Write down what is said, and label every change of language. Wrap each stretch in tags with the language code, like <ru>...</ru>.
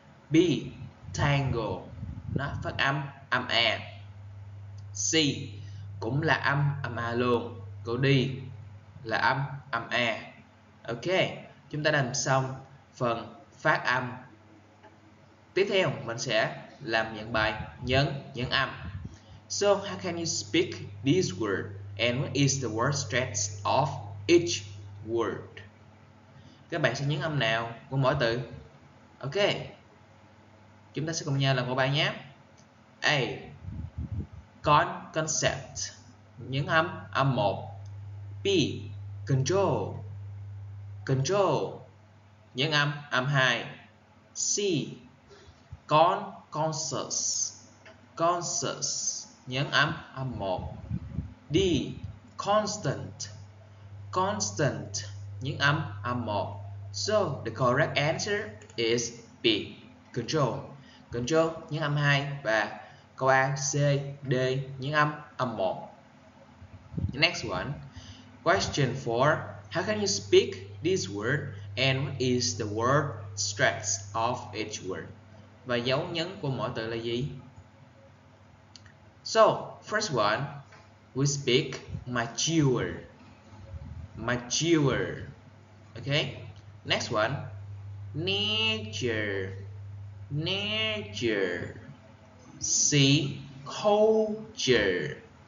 <vi>B. Tangle. Nó phát âm A. C. Cũng là âm A luôn. Câu D là âm A. Ok, chúng ta làm xong phần phát âm. Tiếp theo mình sẽ làm những bài những âm.</vi> <en>So, how can you speak this word? And what is the word stress of each word?</en> <vi>Các bạn sẽ nhấn âm nào của mỗi từ? Ok, chúng ta sẽ cùng nhau làm một bài nhé. A. Concept. Nhấn âm 1. B. Control. Control. Nhấn âm 2. C. Conscious. Conscious. Nhấn âm 1. D. Constant. Constant. Nhấn âm 1.</vi> <en>So, the correct answer is B. Control. Control.</en> <vi>Nhấn âm 2. Và câu A, C, D. Nhấn âm 1.</vi> <en>Next one. Question 4. How can you speak this word? And what is the word stress of each word?</en> <vi>Và dấu nhấn của mỗi từ là gì?</vi> <en>So, first one, we speak mature. Mature. Okay? Next one, nature. Nature. C, culture.</en>